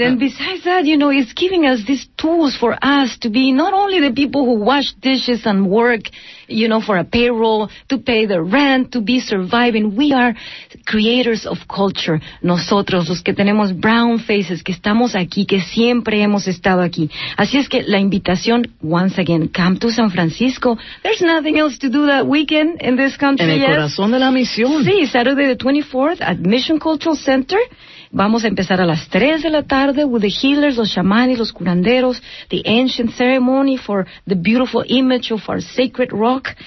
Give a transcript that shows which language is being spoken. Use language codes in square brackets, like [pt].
[en] And besides that, you know, it's giving us these tools for us to be not only the people who wash dishes and work, you know, for a payroll, to pay the rent, to be surviving. We are creators of culture. [es] Nosotros, los que tenemos [en] brown faces, [es] que estamos aquí, que siempre hemos estado aquí. Así es que la invitación, [en] once again, come to San Francisco. There's nothing else to do that weekend in this country. [es] En el corazón de la misión. [en] Sí, Saturday the 24th at Mission Cultural Center. [es] Vamos a empezar a las 3 de la tarde [en] with the healers, [es] los chamanes, los curanderos, [en] the ancient ceremony for the beautiful image of our sacred rock.